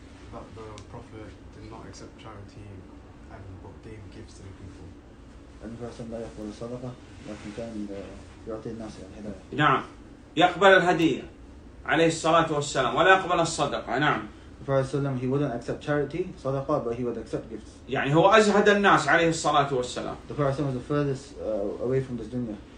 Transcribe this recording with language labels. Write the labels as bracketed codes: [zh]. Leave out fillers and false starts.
[en] But the prophet did not accept charity and what gave gifts to the people. And the person [ar] لا يقبل الصدقة لكن كان يعطي الناس الهدايا. نعم. يقبل الهدية عليه الصلاة والسلام ولا يقبل الصدقة. نعم. [en] The Prophet صلى الله عليه وسلم he wouldn't accept charity صدقة but he would accept gifts. [ar] يعني هو أزهد الناس عليه الصلاة والسلام. [en] The Prophet was the furthest away from this dunya.